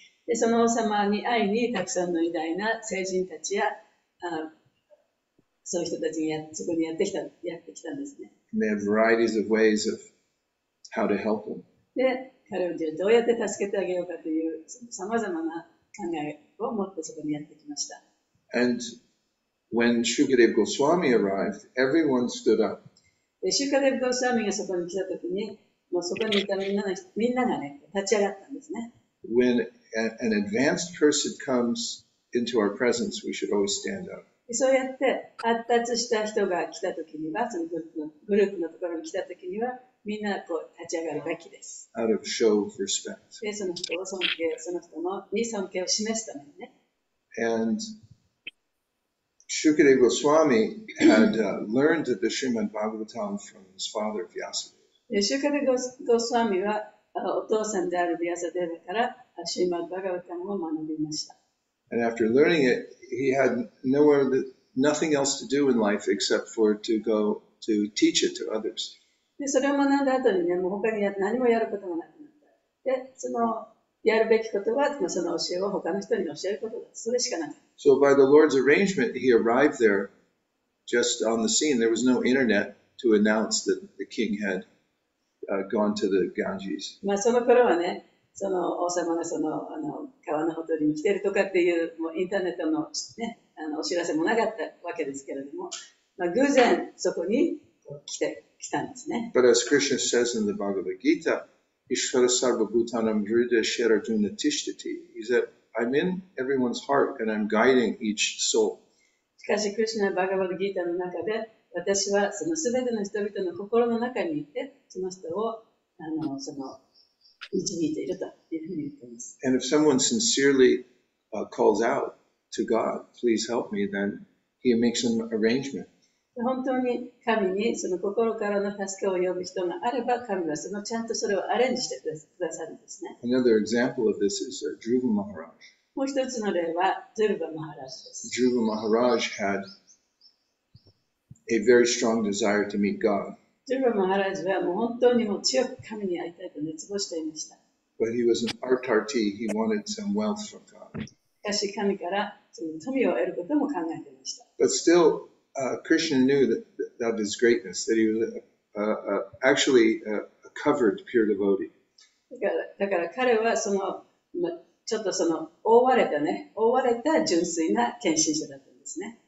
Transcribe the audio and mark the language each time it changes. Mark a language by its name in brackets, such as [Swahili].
[Japanese] でその王様に会いにたくさんの偉大な聖人たちやそういう人たちがそこにやってきたんですね [English] they have varieties of ways of how to help him [Japanese] で彼をどうやって助けてあげようかというさまざまな考えを持ってそこにやってきました [English] andWhen Shukadev Goswami arrived, everyone stood up. [Japanese] Shukadev Goswami がそこに来たときに、もうそこにいたみんながね、立ち上がったんですね。 [English] When an advanced person comes into our presence, we should always stand up. [Japanese] そうやって発達した人が来たときには、そのグループのところに来たときには、みんなこう立ち上がるべきです。 [English] Out of show of respect. [Japanese] その人を尊敬、その人のに尊敬を示すためにね。 [English] AndShukadeva Goswami had learned the Srimad Bhagavatam from his father, Vyasadeva. [Japanese] Shukadeva Goswami はお父さんである Vyasadeva から Srimad Bhagavatam を学びました。 [English] And after learning it, he had nothing else to do in life except for to go to teach it to others. [Japanese] で、それを学んだ後にね、もう他に何もやることもなくなった。で、そのやるべきことは、その教えを他の人に教えることだ。それしかなかった。 [English] So by the Lord's arrangement, he arrived there just on the scene. There was no internet to announce that the king had gone to the Ganges. [Japanese] まあその頃はね、その王様がその川のほとりに来てるとかっていう、もうインターネットのね、お知らせもなかったわけですけれども、まあ偶然そこに来たんですね。 [English] But as Krishna says in the Bhagavad Gita, Ishvara Sarva Bhutanam Vrida Shera Juna Tishtati, is that... I'm in everyone's heart and I'm guiding each soul. [Japanese] しかし、クリシュナバガバドギータの中で、私はそのすべての人々の心の中にいて、その人を導いているというふうに言っています。 [English] And if someone sincerely calls out to God, please help me, then he makes an arrangement. [Japanese] 本当に神にその心からの助けを呼ぶ人があれば、神はそのちゃんとそれをアレンジしてくださるんですね。 [English] Another example of this is Dhruva Maharaj. [Japanese] もう一つの例は、Dhruva Maharaj です。 [English] Dhruva Maharaj had a very strong desire to meet God. [Japanese] Dhruva Maharaj はもう本当にもう強く神に会いたいと熱望していました。 [English] But he was an artarti, he wanted some wealth from God. [Japanese] しかし神からその富を得ることも考えていました。 [English] But still,Krishna knew that his greatness, that he was actually a covered pure devotee. [Japanese] だから彼はそのちょっとその覆われた純粋な献身者だったんですね。